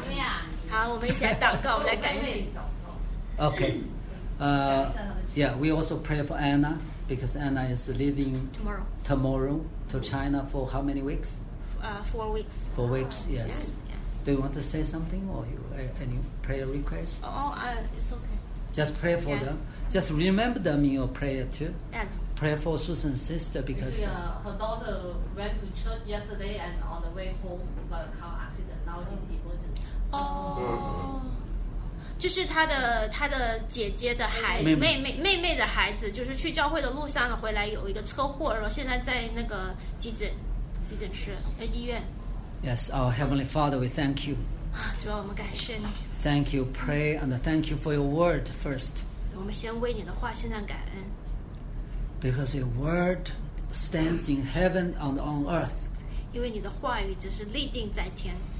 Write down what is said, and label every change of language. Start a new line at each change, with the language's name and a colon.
Chinese: 对呀，好，我们一起来祷告，我们来感谢。
English: Okay. We also pray for Anna because Anna is leaving tomorrow to China for how many weeks? 4 weeks. 4 weeks, yes. Yeah, yeah. Do you want to say something or any prayer requests? It's okay. Just pray for them. Just remember them in your prayer too. Yeah. Pray for Susan's sister because her daughter went to church yesterday and on the way home got a car accident. Now she's in emergency. Oh.
Chinese: 就是她的姐姐的孩子妹妹的孩子，就是去教会的路上呢，回来有一个车祸，然后现在在那个急诊室医院。
English: Yes, our Heavenly Father, we thank you.
Chinese: 主啊，我们感谢你。
English: Thank you, pray and thank you for your word first.
Chinese: 我们先为你的话献上感恩。
English: Because your word stands in heaven and on earth.
Chinese: 因为你的话语只是立定在天。